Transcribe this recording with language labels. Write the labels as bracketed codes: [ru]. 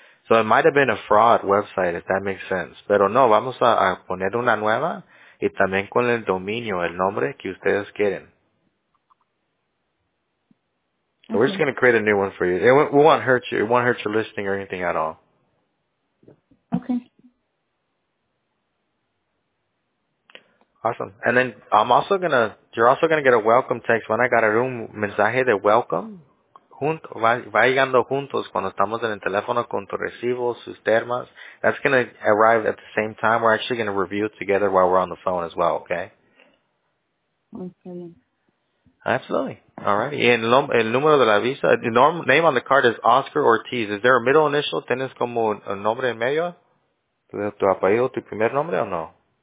[en] So, it might have been a fraud website, if that makes sense. [es] Pero no, vamos a poner una nueva y también con el dominio, el nombre que ustedes quieren. [en] Okay. So we're just going to create a new one for you. We won't hurt you. It won't hurt your listing or anything at all. Okay. Awesome. And then you're also gonna get a welcome text when I got [es] un mensaje de [en] welcome. [es] Va llegando juntos cuando estamos en el teléfono con tu recibo, sus termas. [en] That's gonna arrive at the same time. We're actually gonna review it together while we're on the phone as well, okay? Okay. Absolutely. Alright. [es] Y el número de la visa, [en] the name on the card is Oscar Ortiz. Is there a middle initial? [es] ¿Tienes como un nombre en medio? ¿Tu apellido, tu primer nombre o no?